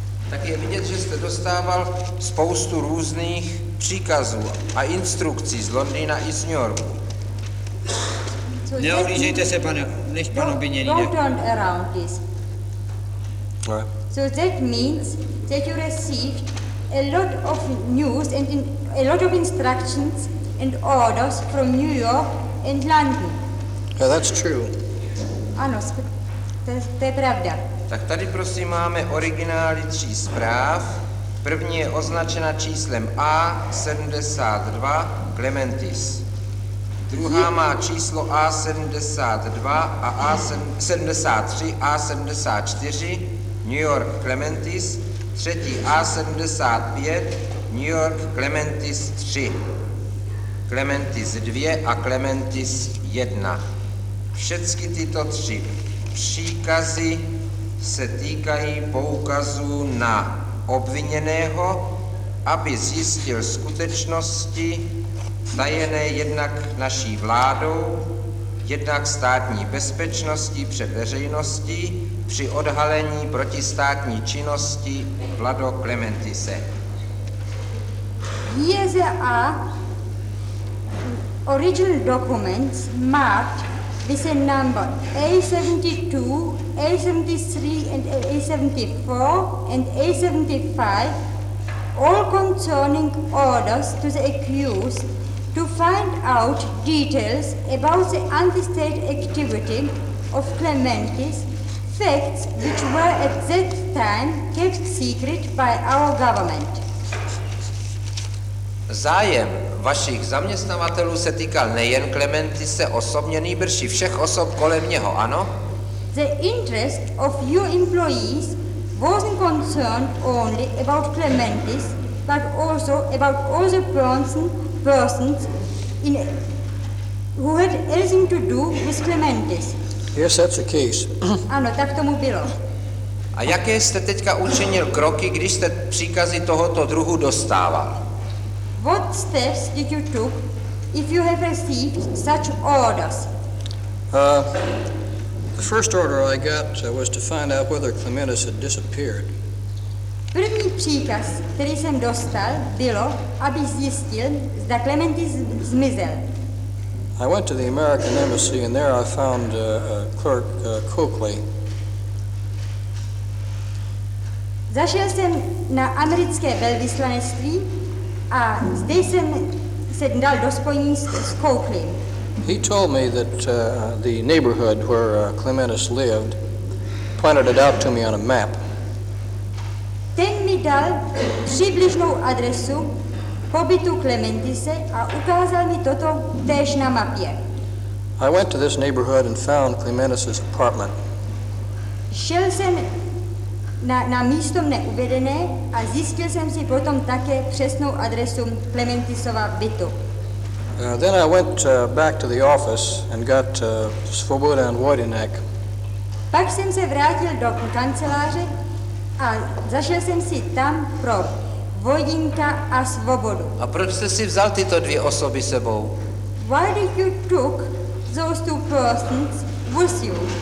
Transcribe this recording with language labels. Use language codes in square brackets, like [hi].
[cs] Tak je vidět, že jste dostával spoustu různých příkazů a instrukcí z Londýna i z New Yorku. Neohlížejte se, pane, než pan obviněný. [en] Don't turn around this. Right. So that means that you received a lot of news and a lot of instructions and orders from New York and London. Yeah, that's true. [cs] Ano, to je pravda. Tak tady prosím máme originály tří zpráv. První je označena číslem A72 Clematis. Druhá má číslo A72 a A73 A74 New York Clematis. Třetí A75 New York Clematis 3. Clematis 2 a Clematis 1. Všechny tyto tři příkazy se týkají poukazů na obviněného, aby zjistil skutečnosti tajené jednak naší vládou, jednak státní bezpečností před veřejností při odhalení protistátní činnosti Vlado Clematise. [en] Here there are original documents marked with a number A72, A73 and A74 and A75, all concerning orders to the accused to find out details about the anti-state activity of Clematis, facts which were at that time kept secret by our government. [cs] Zájem vašich zaměstnavatelů se týkal nejen Clematise osobně, nýbrž i všech osob kolem něho, ano? [en] The interest of your employees wasn't concerned only about Clematis, but also about all the persons in who had anything to do with Clematis. Yes, that's the case. [cs] Ano, tak tomu bylo. A jaké jste teďka učinil kroky, když jste příkazy tohoto druhu dostával? [en] What steps did you took if you have received such orders? The first order I got was to find out whether Clematis had disappeared. [cs] První příkaz, který jsem dostal, bylo, aby zjistil, zda Clematis zmizel. [en] I went to the American embassy and there I found clerk Coakley. [cs] Zašel jsem na americké velvyslanectví a zde jsem se dal do spojení s Coakley. [en] He told me that the neighborhood where Clematis lived pointed it out to me on a map. [cs] Ten mi dal přibližnou adresu pobytu Clematise a ukázal mi toto též na mapě. [en] I went to this neighborhood and found Clematis's apartment. [cs] Šel jsem na místo mne uvedené a zjistil jsem si potom také přesnou adresu Clematisova bytu. [en] Then I went back to the office and got Svoboda and Wojtinek. [cs] Pak jsem se vrátil do kanceláře a zašel jsem si tam pro Vojdinka a Svobodu. A proč jste si vzal tyto dvě osoby sebou? [en] Why did you took those two persons with you?